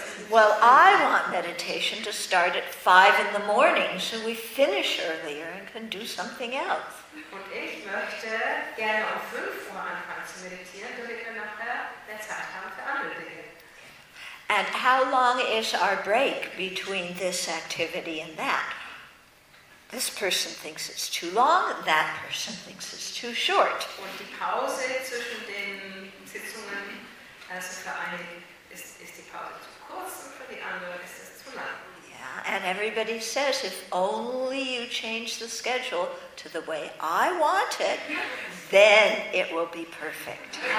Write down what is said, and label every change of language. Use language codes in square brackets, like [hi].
[en] Well, I want meditation to start at 5 in the morning so we finish earlier and can do something else. [de] Und ich möchte gerne um 5 Uhr anfangen zu meditieren, damit wir nachher Zeit haben für andere Dinge. [en] And how long is our break between this activity and that? This person thinks it's too long, that person thinks it's too short. [de] Und die Pause zwischen den Sitzungen, also für eine ist die Pause zu kurz und für die andere ist es zu lang. [en] And everybody says, if only you change the schedule to the way I want it, then it will be perfect.